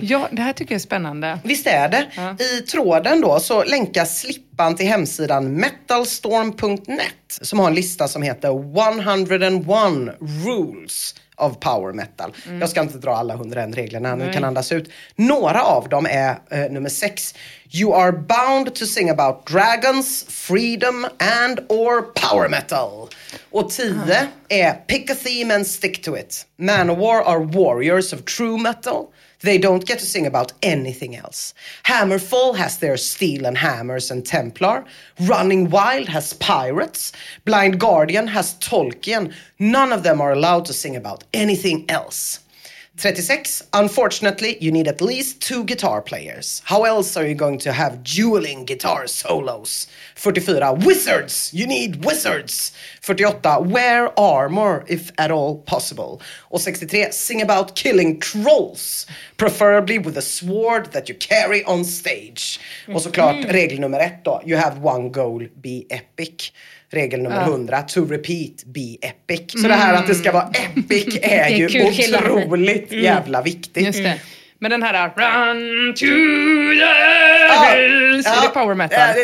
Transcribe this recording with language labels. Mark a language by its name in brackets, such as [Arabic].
[Swedish] Ja, det här tycker jag är spännande. Visst är det? Ja. I tråden då så länkas Slippan till hemsidan metalstorm.net som har en lista som heter 101 rules av power metal. Mm. Jag ska inte dra alla 101 reglerna, nu kan andas ut. Några av dem är nummer 6. [English] You are bound to sing about dragons, freedom and or power metal. [Swedish] Och 10 är [English] pick a theme and stick to it. Manowar are warriors of true metal. They don't get to sing about anything else. Hammerfall has their steel and hammers and Templar. Running Wild has pirates. Blind Guardian has Tolkien. None of them are allowed to sing about anything else. 36. Unfortunately, you need at least 2 guitar players. How else are you going to have dueling guitar solos? 44. Wizards! You need wizards! 48. Wear armor, if at all possible. [Swedish] Och 63. [English] Sing about killing trolls. Preferably with a sword that you carry on stage. [Swedish] Och såklart, regel nummer 1 då. [English] You have one goal, be epic. [Swedish] Regel nummer 100, [English] to repeat, be epic. [Swedish] Så det här att det ska vara epic är ju kul, otroligt jävla viktigt. Just det. Men den här, run to the hills, är det power metal?